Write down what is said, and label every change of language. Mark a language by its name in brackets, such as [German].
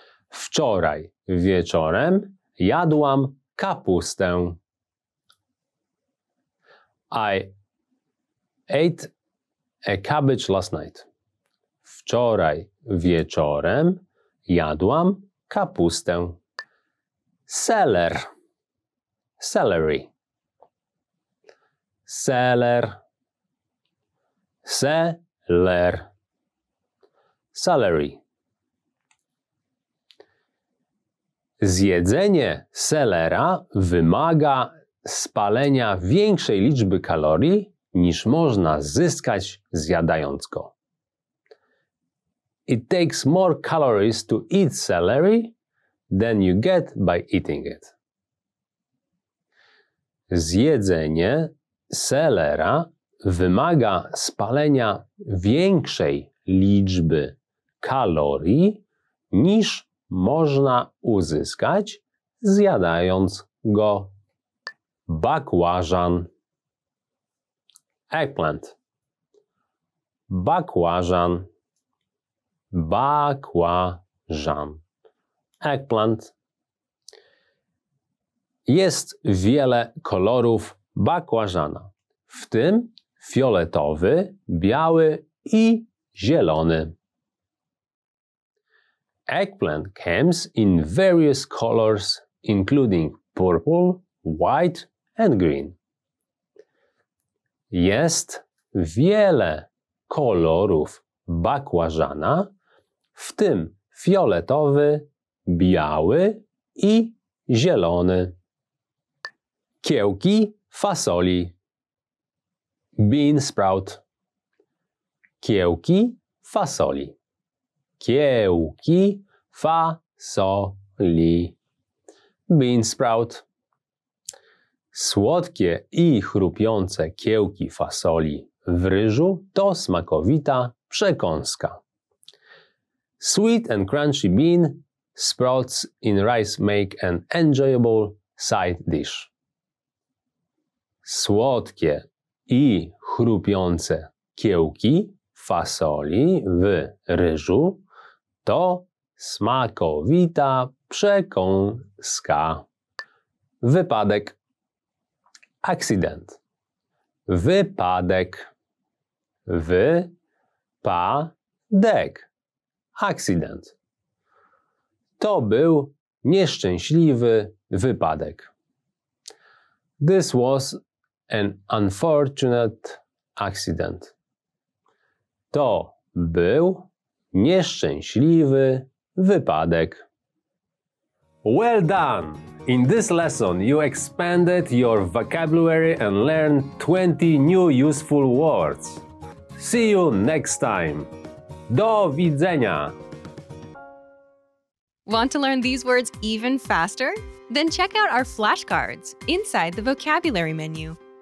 [Polish] Wczoraj wieczorem jadłam kapustę. [English] I ate a cabbage last night. [Polish] Wczoraj wieczorem jadłam kapustę. Seller. [English] Celery. [Polish] Seller. Seller. [English] Celery. [Polish] Zjedzenie selera wymaga spalenia większej liczby kalorii, niż można zyskać zjadając go. [English] It takes more calories to eat celery than you get by eating it. [Polish] Zjedzenie selera wymaga spalenia większej liczby kalorii, niż można uzyskać zjadając go. Bakłażan. [English] Eggplant. [Polish] Bakłażan. Bakłażan. [English] Eggplant. [Polish] Jest wiele kolorów bakłażana, w tym fioletowy, biały i zielony. [English] Eggplant comes in various colors, including purple, white and green. [Polish] Jest wiele kolorów bakłażana, w tym fioletowy, biały i zielony. Kiełki fasoli. [English] Bean sprout. [Polish] Kiełki fasoli. Kiełki fasoli. [English] Bean sprout. [Polish] Słodkie i chrupiące kiełki fasoli w ryżu to smakowita przekąska. [English] Sweet and crunchy bean sprouts in rice make an enjoyable side dish. [Polish] Słodkie i chrupiące kiełki fasoli w ryżu to smakowita przekąska. Wypadek. [English] Accident. [Polish] Wypadek. Wypadek. [English] Accident. [Polish] To był nieszczęśliwy wypadek. [English] This was an unfortunate accident. [Polish] To był nieszczęśliwy wypadek. [English] Well done! In this lesson, you expanded your vocabulary and learned 20 new useful words. See you next time! [Polish] Do widzenia! [English] Want to learn these words even faster? Then check out our flashcards inside the vocabulary menu.